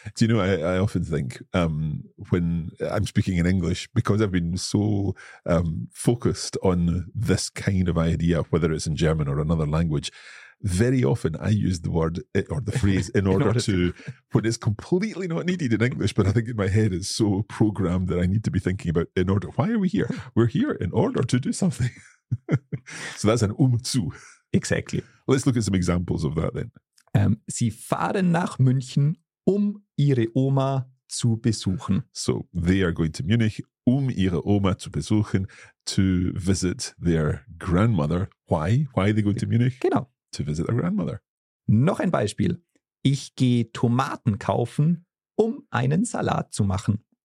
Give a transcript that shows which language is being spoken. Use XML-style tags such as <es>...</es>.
<en>Do you know, I often think when I'm speaking in English, because I've been so focused on this kind of idea, whether it's in German or another language, very often I use the word or the phrase in order to, when it's completely not needed in English, but I think in my head it's so programmed that I need to be thinking about in order. Why are we here? We're here in order to do something. So that's an zu. Exactly. Let's look at some examples of that then.</en> <de>Sie fahren nach München, ihre Oma zu besuchen.</de> <en>So they are going to Munich,</en> <de>ihre Oma zu besuchen,</de> <en>to visit their grandmother. Why? Why are they going to Munich?</en> <de>Genau.</de> <en>To visit their grandmother.</en> <de>Noch ein Beispiel. Ich gehe Tomaten kaufen, einen Salat zu machen.</de>